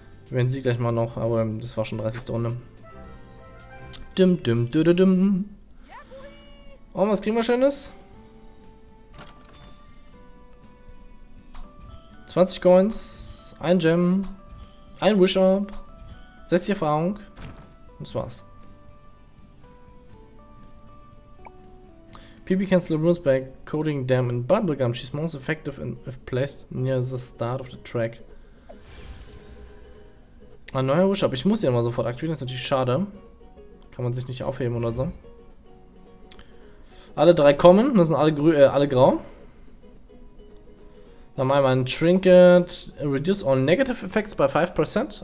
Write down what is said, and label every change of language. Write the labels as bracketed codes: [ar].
[de] Wenn sie gleich mal noch, aber das war schon 30. Runde. Dum, dum, dü, dü, dum. Oh, was kriegen wir Schönes? 20 Coins, ein Gem, ein Wish-Up, 60 Erfahrung und das war's. [en] PB cancel the runes by coating them in bubblegum. She's most effective if placed near the start of the track. [de] Ein neuer Wish-Up. Ich muss sie immer sofort aktivieren. Das ist natürlich schade. Kann man sich nicht aufheben oder so. Alle drei kommen. Das sind alle grau. Dann machen wir ein Trinket. [en] Reduce all negative effects by 5%.